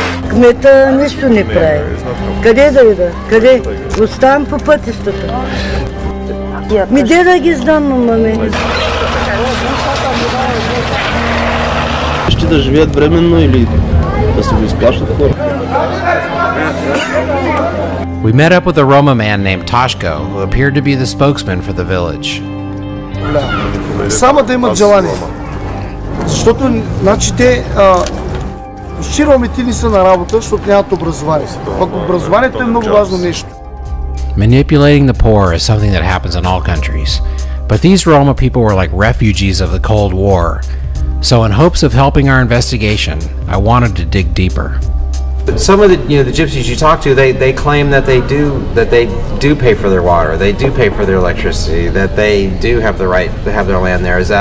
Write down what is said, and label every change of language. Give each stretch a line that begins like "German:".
Bulgarian: Кмета нищо не прави. Къде да ида? Къде? Оставам по пътищата. Ми де да ги знам, маме? Ще да живеят временно или да се го изплащат хора?
English: We met up with a Roma man named Toshko, who appeared to be the spokesman for the village.
Bulgarian: Само да имат желание. Защото, значи, те ромите не са на работа, защото нямат образование. Пък образованието е много важно нещо.
English: Manipulating the poor is something that happens in all countries. But these Roma people were like refugees of the Cold War. So in hopes of helping our investigation, I wanted to dig deeper. Some of the, you know, the gypsies you talk to, they claim that they do pay for their water, they do pay for their electricity, that they do have the right to have their land there.